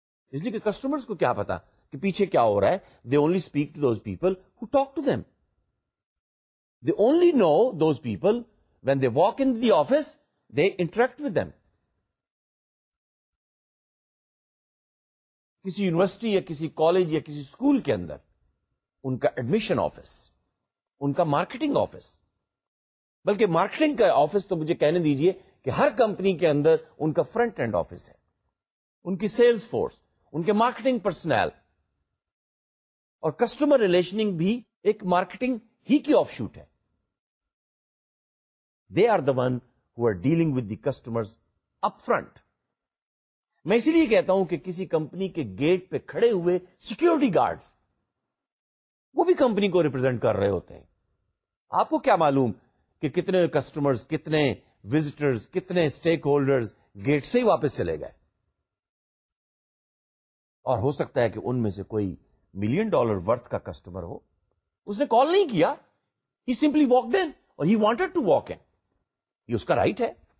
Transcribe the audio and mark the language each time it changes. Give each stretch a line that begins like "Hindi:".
Urdu: اس لیے کہ کسٹمرز کو کیا پتا کہ پیچھے کیا ہو رہا ہے,
English: They only speak to those people who talk to them, they only know those people when they walk in the office, they interact with them.
Urdu: کسی یونیورسٹی یا کسی کالج یا کسی اسکول کے اندر ان کا ایڈمیشن آفس, ان کا مارکیٹنگ آفس, بلکہ marketing کا آفس تو مجھے کہنے دیجئے کہ ہر کمپنی کے اندر ان کا فرنٹ اینڈ آفس ہے, ان کی سیلز فورس, ان کے مارکیٹنگ پرسنل, اور کسٹمر ریلیشننگ بھی ایک مارکیٹنگ ہی کی آف شوٹ ہے.
English: They are the one who are dealing with the customers up front.
Urdu: میں اسی لیے کہتا ہوں کہ کسی کمپنی کے گیٹ پہ کھڑے ہوئے سیکیورٹی گارڈز وہ بھی کمپنی کو ریپرزینٹ کر رہے ہوتے ہیں. آپ کو کیا معلوم کہ کتنے کسٹمرز, کتنے وزٹرز, کتنے اسٹیک ہولڈرز گیٹ سے ہی واپس چلے گئے, اور ہو سکتا ہے کہ ان میں سے کوئی ملین ڈالر ورتھ کا کسٹمر ہو, اس نے کال نہیں کیا,
English: he simply walked in اور he wanted to walk in,
Urdu: یہ اس کا رائٹ ہے.